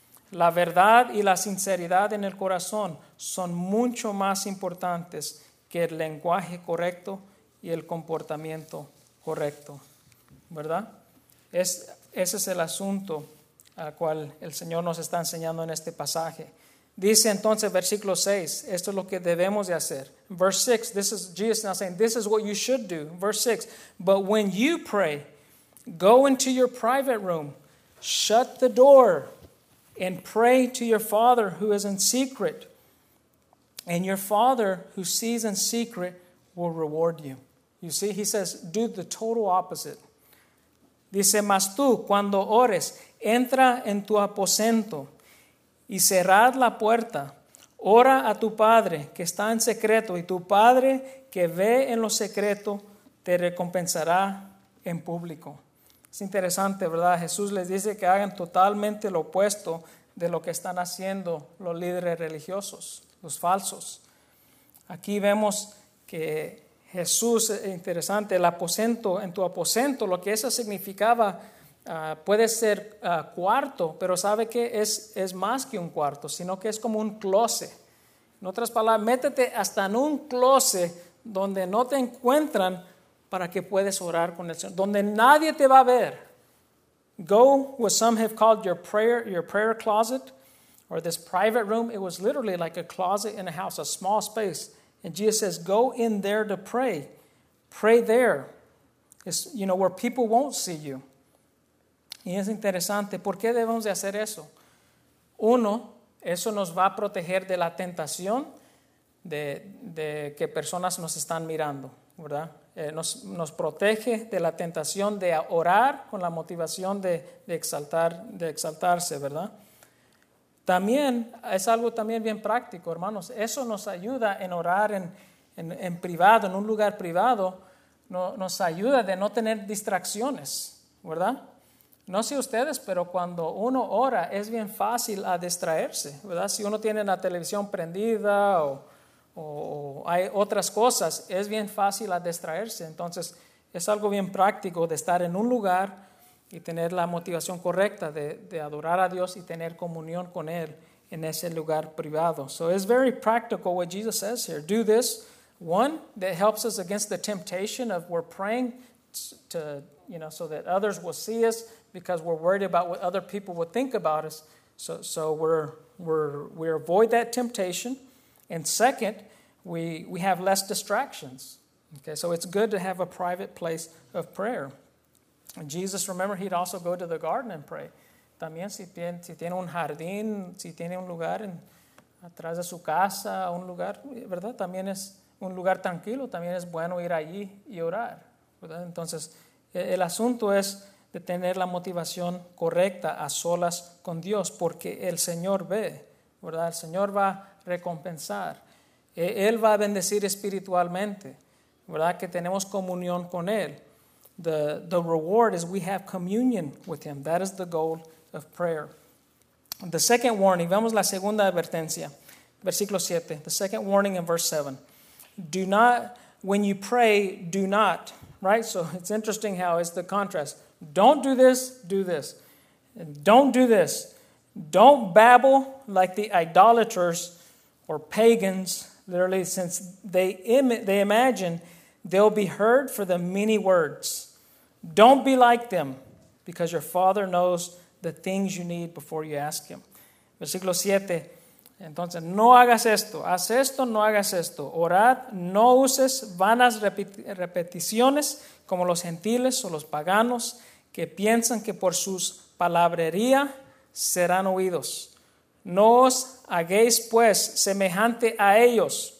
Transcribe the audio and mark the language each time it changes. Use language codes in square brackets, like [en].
[es] La verdad y la sinceridad en el corazón son mucho más importantes que el lenguaje correcto y el comportamiento correcto. ¿Verdad? Ese es el asunto al cual el Señor nos está enseñando en este pasaje. Dice entonces, versículo 6, esto es lo que debemos de hacer. [en] Verse 6, this is Jesus now saying, this is what you should do. Verse 6, but when you pray, go into your private room, shut the door, and pray to your Father who is in secret. And your Father who sees in secret will reward you. You see, he says, do the total opposite. [es] Dice, mas tú, cuando ores, entra en tu aposento y cerrad la puerta. Ora a tu Padre que está en secreto, y tu Padre que ve en lo secreto te recompensará en público. Es interesante, ¿verdad? Jesús les dice que hagan totalmente lo opuesto de lo que están haciendo los líderes religiosos, los falsos. Aquí vemos que Jesús, es interesante, el aposento, en tu aposento, lo que eso significaba, puede ser cuarto, pero sabe que es más que un cuarto, sino que es como un closet. En otras palabras, métete hasta en un closet donde no te encuentran para que puedas orar con el Señor, donde nadie te va a ver. [en] Go, what some have called your prayer closet, or this private room. It was literally like a closet in a house, a small space. And Jesus says, go in there to pray. Pray there. It's, you know, where people won't see you. [es] Y es interesante, ¿por qué debemos de hacer eso? Uno, eso nos va a proteger de la tentación de que personas nos están mirando, ¿verdad? Nos protege de la tentación de orar con la motivación de exaltarse, ¿verdad? También, es algo también bien práctico, hermanos, eso nos ayuda en orar en privado, en un lugar privado, nos ayuda de no tener distracciones, ¿verdad? No sé ustedes, pero cuando uno ora es bien fácil a distraerse, ¿verdad? Si uno tiene la televisión prendida o hay otras cosas, es bien fácil a distraerse. Entonces, es algo bien práctico de estar en un lugar y tener la motivación correcta de adorar a Dios y tener comunión con Él en ese lugar privado. [en] So it's very practical what Jesus says here. Do this. One, that helps us against the temptation of we're praying to, you know, so that others will see us because we're worried about what other people will think about us. So we avoid that temptation. And second, we have less distractions. Okay, so it's good to have a private place of prayer. And Jesus, remember, he'd also go to the garden and pray. [es] También si tiene un jardín, si tiene un lugar en, atrás de su casa, un lugar, ¿verdad? También es un lugar tranquilo, también es bueno ir allí y orar, ¿verdad? Entonces, el asunto es de tener la motivación correcta a solas con Dios, porque el Señor ve, ¿verdad? El Señor va a recompensar. Él va a bendecir espiritualmente, ¿verdad? Que tenemos comunión con Él. [en] The reward is we have communion with Him. That is the goal of prayer. The second warning, [es] vemos la segunda advertencia, versículo 7, [en] the second warning in verse 7. Do not, when you pray, do not, right? So it's interesting how it's the contrast. Don't do this, do this. Don't do this. Don't babble like the idolaters or pagans, literally, since they imagine they'll be heard for the many words. Don't be like them, because your Father knows the things you need before you ask Him. [es] Versículo 7. Entonces, no hagas esto, haz esto, no hagas esto. Orad, no uses vanas repeticiones como los gentiles o los paganos que piensan que por sus palabrería serán oídos. No os hagáis pues semejante a ellos.